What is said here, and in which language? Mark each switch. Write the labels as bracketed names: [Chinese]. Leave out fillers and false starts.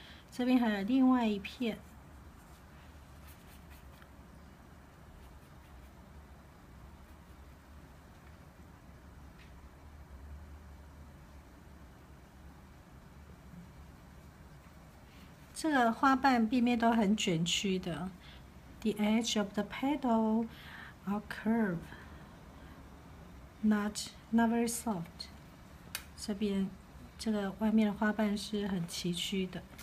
[Chinese] 这边还有另外一片，这个花瓣边边都很卷曲的。 [English] The edge of the petal are curved, not very soft. [Chinese] 这边这个外面的花瓣是很崎岖的。